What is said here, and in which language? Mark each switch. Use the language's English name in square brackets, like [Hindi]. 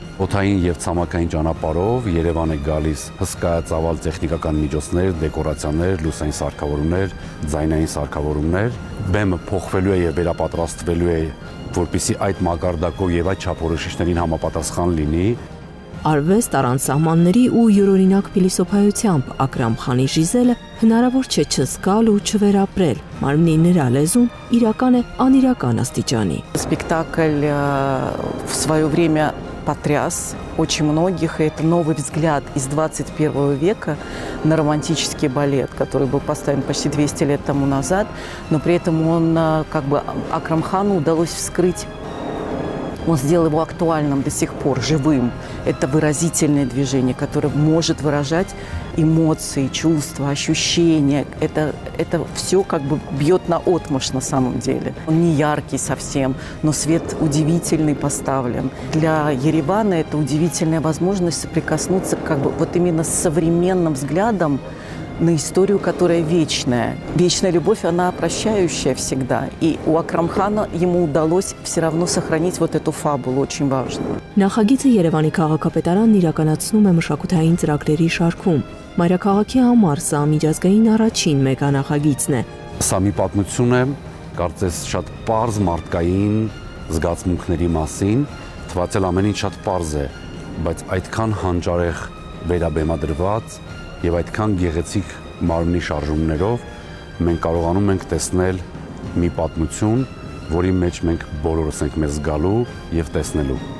[Armenian] Օթային եւ ցամաքային ճանապարով Երևան է գալիս հսկայածավալ տեխնիկական միջոցներ, դեկորացիաներ, լուսային սարքավորումներ, ձայնային սարքավորումներ, բեմը փոխվելու է եւ վերապատրաստվելու է, որպիսի այդ մակարդակով եւ այդ չափորոշիչներին համապատասխան լինի։ Արվեստ առանց սահմանների ու յուրօրինակ փիլիսոփայությամբ Ակրամ Խանի Ժիզելը հնարավոր չէ չզգալ ու չվերապրել։ Մարմնի նրա լեզուն իրական է անիրական աստիճանի։ [Russian] Սպեկտակլը в своё время потряс очень многих, и это новый взгляд из 21 века на романтический балет, который был поставлен почти 200 лет тому назад, но при этом он как бы Акрам Хану удалось вскрыть. Он сделал его актуальным до сих пор, живым. Это выразительное движение, которое может выражать эмоции, чувства, ощущения. Это все как бы бьет наотмашь на самом деле. Он не яркий совсем, но свет удивительный поставлен. Для Еревана это удивительная возможность соприкоснуться как бы вот именно с современным взглядом на историю, которая вечная. Вечная любовь, она прощающая всегда. И у Акрамхана ему удалось все равно сохранить вот эту фабулу, очень важную. [Armenian] Նախագիծը Երևանի քաղաքապետարանն իրականացնում է մշակութային ծրագրերի շարքում։ Մայրաքաղաքի համար սա միջազգային առաջին մեգանախագիծն է։ Սա մի պատմություն է, կարծես շատ պարզ մարդկային զգացմունքների մասին, թվացել ամեն ինչ շատ պարզ է, բայց այդքան հանճարեղ վերաբեմադրված, եվ այդքան գեղեցիկ մարմնի շարժումներով մենք կարողանում ենք տեսնել մի պատմություն, որի մեջ մենք բոլորս ենք մեզ գալու և տեսնելու։